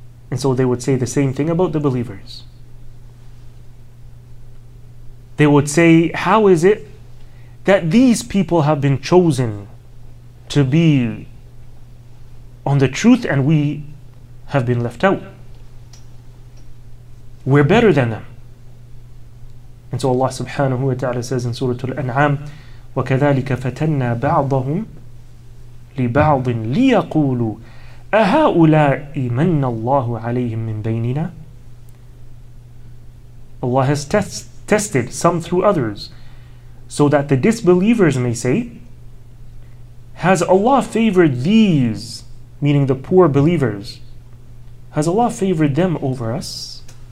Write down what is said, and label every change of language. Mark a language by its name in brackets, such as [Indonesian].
[English] And so they would say the same thing about the believers. They would say, how is it that these people have been chosen to be on the truth and we have been left out? We're better than them. And so Allah subhanahu wa ta'ala says in Surah Al-An'am, [Arabic] وَكَذَلِكَ فَتَنَّا بَعْضَهُمْ لِبَعْضٍ لِيَقُولُوا أَهَؤُلَاءِ مَنَّ اللَّهُ عَلَيْهِمْ مِنْ بَيْنِنَا. [English] Allah has tested some through others, so that the disbelievers may say, has Allah favored these, meaning the poor believers, has Allah favored them over us?